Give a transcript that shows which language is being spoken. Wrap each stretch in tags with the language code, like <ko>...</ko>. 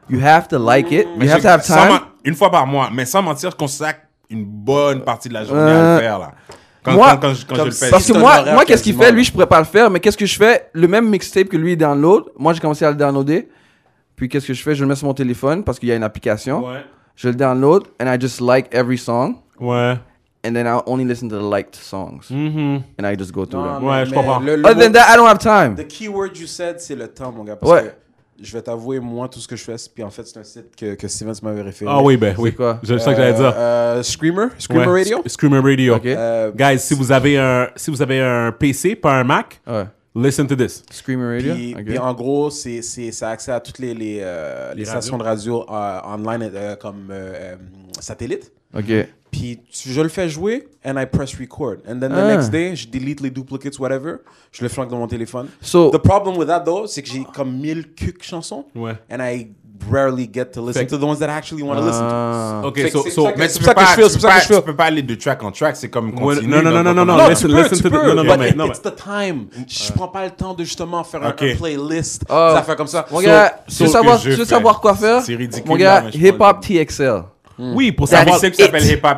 <en>You have to like it.</en> <fr>Mais</fr> <en>you have to have time.</en> <fr>Une fois par mois, mais sans mentir, je consacre une bonne partie de la journée à le faire là. Quand je le fais. Parce que moi, qu'est-ce qu'il fait? Lui, je pourrais pas le faire, mais qu'est-ce que je fais? Le même mixtape que lui, il download. Moi, j'ai commencé à le downloader. Puis qu'est-ce que je fais? Je le mets sur mon téléphone parce qu'il y a une application. Ouais. Je le download</fr> <en>and I just like every song.</en> <fr>Ouais.</fr> <en>And then I only listen to the liked songs. Mm-hmm. And I just go through them.</en> <fr>Ouais, je comprends.</fr> <en>Other than that, I don't have time. The key word you said,</en> <fr>c'est le temps, mon gars. Parce que je vais t'avouer, moi, tout ce que je fais, puis en fait, c'est un site que Steven m'avait référé. Ah oui, ben oui. C'est quoi? C'est ça que j'allais dire. Screamer? Screamer ouais. Radio? Screamer Radio.</fr> <en>Okay.</en> <fr>Guys, si vous avez un PC, pas un Mac, ouais.</fr> <en>Listen to this. Screamer Radio?</en> <fr>Puis en gros, c'est accès à toutes les stations de radio online comme satellite. OK. Puis je le fais jouer</fr> <en>and I press record. And then the next day,</en> <fr>je delete les duplicates, whatever. Je le flanque dans mon téléphone.</fr> <en>So, the problem with that, though,</en> <fr>c'est que j'ai comme 1000 cuques chansons. Ouais.</fr> <en>And I rarely get to listen to the ones that I actually want to listen to.</en> <fr>OK, c'est pour ça que je fais. Tu peux pas aller de track en track. C'est comme continuer. Non,</fr> <en>it's the time.</en> <fr>Je prends pas le temps de justement faire une playlist. Ça fait comme ça. Mon gars, tu veux savoir quoi faire? C'est ridicule. Mon gars, Hip Hop TXL. Oui, pour savoir. C'est ce qui s'appelle Hip Hop.</fr>